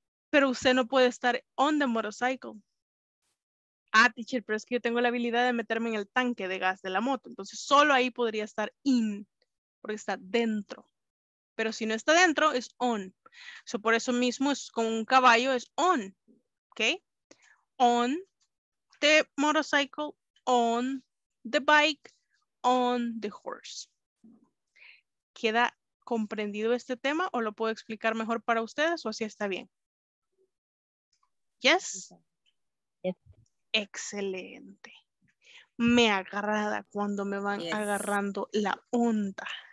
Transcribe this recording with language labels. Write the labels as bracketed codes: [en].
[es] Pero usted no puede estar [en] on the motorcycle. [es] Ah, teacher, pero es que yo tengo la habilidad de meterme en el tanque de gas de la moto. Entonces, solo ahí podría estar in, porque está dentro. Pero si no está dentro, es on. So, por eso mismo, es con un caballo, es on. ¿Ok? [en] On the motorcycle, on the bike, on the horse. [es] ¿Queda comprendido este tema o lo puedo explicar mejor para ustedes o así está bien? ¿Yes? Excelente. me agrada cuando me van agarrando la onda.